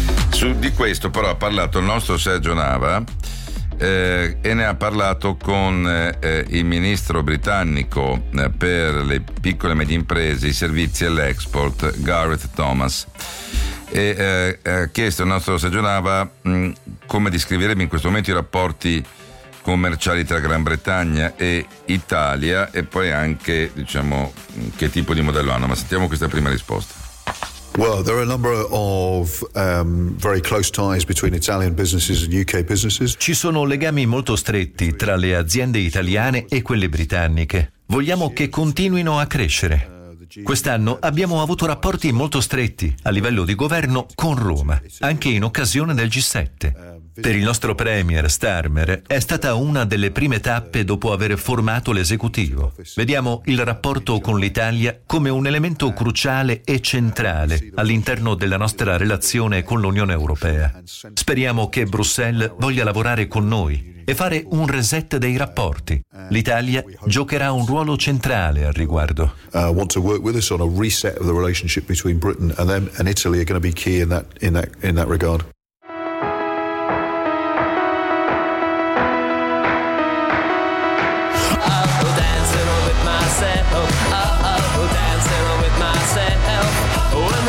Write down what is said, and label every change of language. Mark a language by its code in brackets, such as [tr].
[it] Su di questo però ha parlato il nostro Sergio Nava, e ne ha parlato con il ministro britannico per le piccole e medie imprese, i servizi e l'export, Gareth Thomas, e ha chiesto al nostro Sergio Nava come descriverebbe in questo momento i rapporti commerciali tra Gran Bretagna e Italia, e poi anche, diciamo, che tipo di modello hanno. Ma sentiamo questa prima risposta. [en] Well, there are a number of very close ties between Italian businesses and UK businesses. [it] Ci sono legami molto stretti tra le aziende italiane e quelle britanniche. Vogliamo che continuino a crescere. Quest'anno abbiamo avuto rapporti molto stretti a livello di governo con Roma, anche in occasione del G7. Per il nostro Premier Starmer è stata una delle prime tappe dopo aver formato l'esecutivo. Vediamo il rapporto con l'Italia come un elemento cruciale e centrale all'interno della nostra relazione con l'Unione Europea. Speriamo che Bruxelles voglia lavorare con noi e fare un reset dei rapporti. L'Italia giocherà un ruolo centrale al riguardo. [en] Want to work with us on a reset of the relationship between Britain and them, and Italy are going to be key in that regard. Dancing with myself, oh, oh, oh, dancing with myself. When